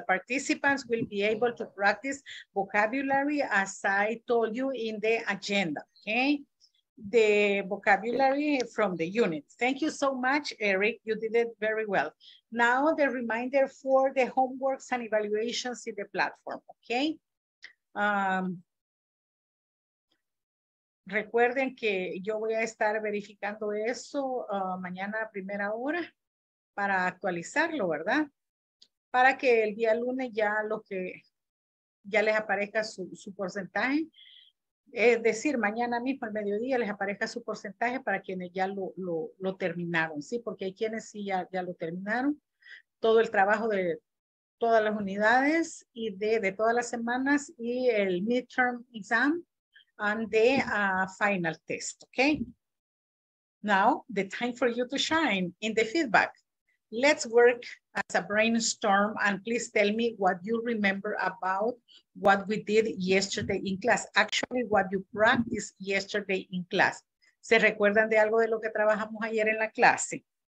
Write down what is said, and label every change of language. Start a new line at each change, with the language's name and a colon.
English: Participants will be able to practice vocabulary as I told you in the agenda, okay? The vocabulary from the unit. Thank you so much, Eric. You did it very well. Now the reminder for the homeworks and evaluations in the platform, okay?
Spanish: Recuerden que yo voy a estar verificando eso mañana a primera hora para actualizarlo, ¿verdad? Para que el día lunes ya lo que ya les aparezca su porcentaje. Es decir, mañana mismo al mediodía les aparezca su porcentaje para quienes ya lo terminaron, ¿sí? Porque hay quienes sí ya lo terminaron. Todo el trabajo de todas las unidades y de todas las semanas y el
English: midterm exam and the final test, okay? Now, the time for you to shine in the feedback. Let's work as a brainstorm and please tell me what you remember about what we did yesterday in class. Actually, what you practiced yesterday in class.
Spanish: ¿Se recuerdan de algo de lo que trabajamos ayer en la clase?